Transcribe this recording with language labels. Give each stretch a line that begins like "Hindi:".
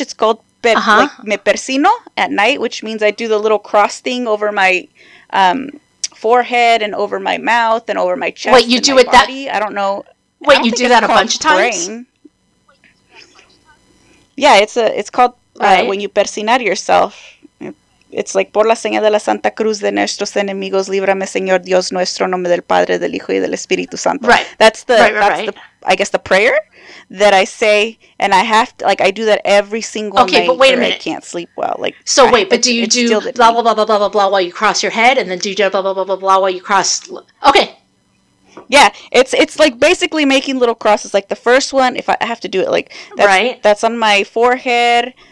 English: It's called me persino at night, which means I do the little cross thing over my forehead and over my mouth and over my chest. Wait, you do it body. That? I don't know. Wait, don't you do that a bunch of times? Praying. Yeah, it's called when you persinar yourself. It's like,
Spanish: por la señal de la Santa Cruz de nuestros enemigos, líbrame, Señor Dios nuestro, en nombre del Padre, del Hijo, y del Espíritu Santo.
English: Right. That's the I guess, the prayer that I say, and I have to, like, I do that every single night. Okay, but wait a minute. I can't sleep well. Like, so wait, but do you do blah, blah, blah, blah, blah, blah, blah, while you cross your head, and then do blah, blah, blah, blah, blah, while you cross... Okay. Yeah, it's like, basically making little crosses. Like, the first one, if I have to do it, like, that's on my forehead...